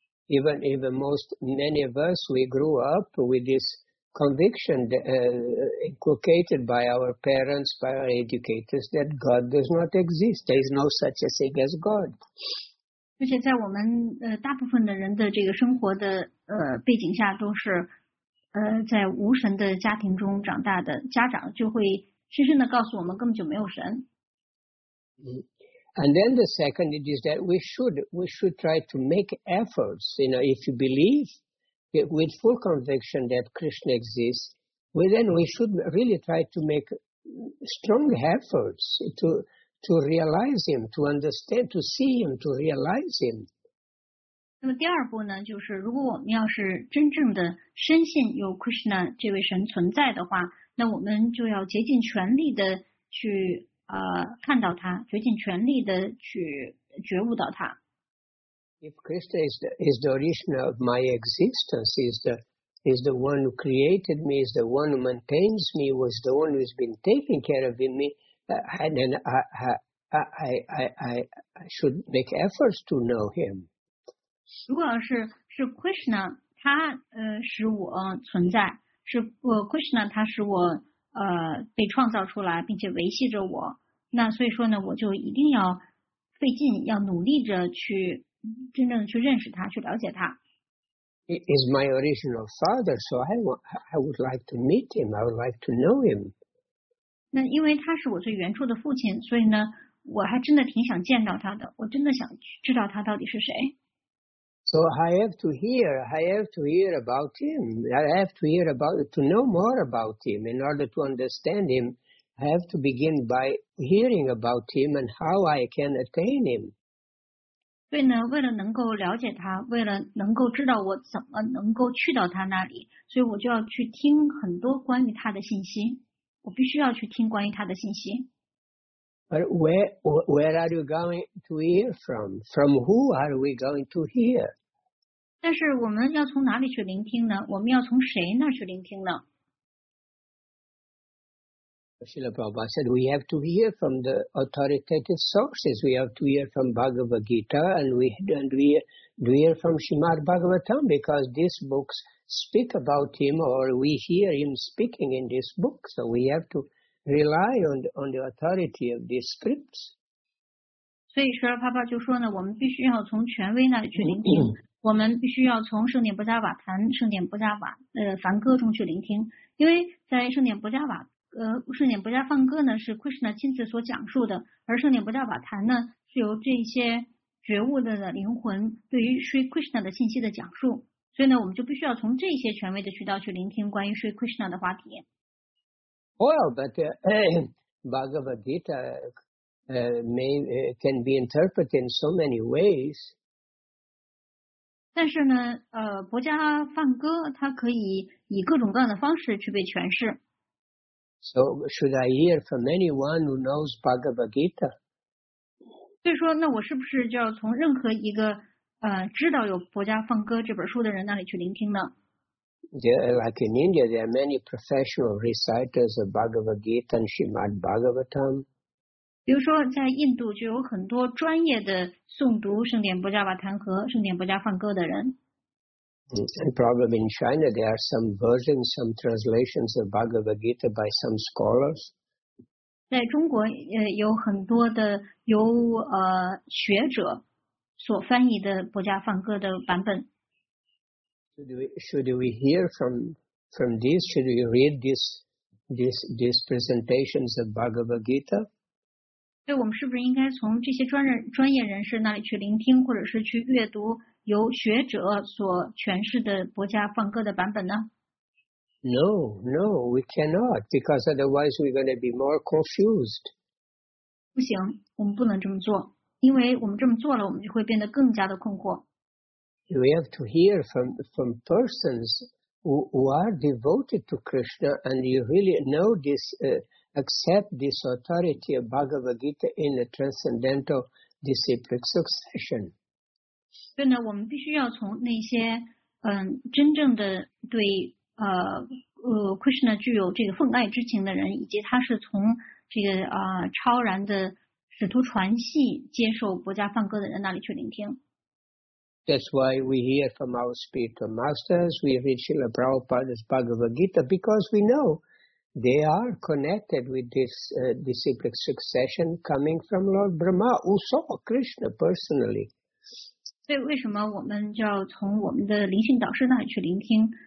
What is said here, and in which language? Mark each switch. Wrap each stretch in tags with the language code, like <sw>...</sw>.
<en>Even most many of us, we grew up with this. Conviction inculcated by our parents, by our educators, that God does not exist. There is no such a thing as God.</en> <zh>而且在我们大部分的人的这个生活的背景下，都是在无神的家庭中长大的，家长就会深深的告诉我们，根本就没有神。</zh> <en>And then the second it is that we should try to make efforts. You know, if you believe. With full conviction that Krishna exists, we should really try to make strong efforts to to realize him, to understand, to see him, to realize him.</en> <zh>那么第二步呢，就是如果我们要是真正的深信有 Krishna 这位神存在的话，那我们就要竭尽全力的去看到他，竭尽全力的去觉悟到他。</zh> <en>If Krishna is the original of my existence, is the one who created me, is the one who maintains me, was the one who's been taking care of me, then I should make efforts to know him.</en> <zh>如果是 Krishna, 他使我存在，是 Krishna, 他使我被创造出来，并且维系着我。那所以说呢，我就一定要费劲，要努力着去真正去认识他，去了解他。</zh> <en>Is my original father, so I would like to meet him. I would like to know him.</en> <zh>那因为他是我最原初的父亲，所以呢，我还真的挺想见到他的。我真的想知道他到底是谁。</zh> <en>So I have to hear about him. I have to hear about, to know more about him. In order to understand him, I have to begin by hearing about him and how I can attain him.</en> <zh>所以呢，为了能够了解他，为了能够知道我怎么能够去到他那里，所以我就要去听很多关于他的信息。我必须要去听关于他的信息。</zh> <en>But where are you going to hear from? From who are we going to hear?</en> <zh>但是我们要从哪里去聆听呢？我们要从谁那去聆听呢？</zh> <en>Srila Prabhupada said we have to hear from the authoritative sources. We have to hear from Bhagavad Gita and we hear from Srimad Bhagavatam because these books speak about him or we hear him speaking in this book. So we have to... rely on the authority of these scripts.</en> <zh>所以Srila Prabhupada就说呢，我们必须要从权威那里去聆听，我们必须要从圣典波迦瓦坛、圣典波迦瓦梵歌中去聆听，因为在圣典波迦梵歌呢是 Krishna 亲自所讲述的，而圣典波迦瓦坛呢是由这些觉悟的灵魂对于 Sri Krishna 的信息的讲述，所以呢，我们就必须要从这些权威的渠道去聆听关于 Sri Krishna 的话题。</zh> <en>Well, but Bhagavad Gita can be interpreted in so many ways.</en> <zh>但是呢，博迦梵歌它可以以各种各样的方式去被诠释。</zh> <en>So should I hear from anyone who knows Bhagavad Gita?</en> <zh>所以说，那我是不是就要从任何一个知道有博迦梵歌这本书的人那里去聆听呢？</zh> <en>Like in India, there are many professional reciters of Bhagavad Gita and Srimad Bhagavatam.</en> <zh>比如说在印度就有很多专业的诵读圣典波迦瓦坛和圣典波迦梵歌的人。</zh> <en>And probably in China, there are some versions, some translations of Bhagavad Gita by some scholars.</en> <zh>在中国有很多的由学者所翻译的波迦梵歌的版本。</zh> <en>Should we hear from these? Should we read these presentations of Bhagavad Gita?</en> <zh>对，我们是不是应该从这些专业人士那里去聆听，或者是去阅读由学者所诠释的《博迦梵歌》的版本呢？</zh> <en>No, we cannot, because otherwise we're going to be more confused.</en> <zh>不行，我们不能这么做，因为我们这么做了，我们就会变得更加的困惑。</zh> <en>We have to hear from persons who are devoted to Krishna and you really know this, accept this authority of Bhagavad Gita in a transcendental disciplic succession.</en> <zh>所以呢，我们必须要从那些真正的对Krishna 具有这个奉爱之情的人，以及他是从这个超然的使徒传系接受博迦梵歌的人那里去聆听。</zh> <en>That's why we hear from our spiritual masters, we read Srila Prabhupada's Bhagavad Gita, because we know they are connected with this disciplic succession coming from Lord Brahma, who saw Krishna personally. So, why do we need to go to our spiritual teacher to listen?</en>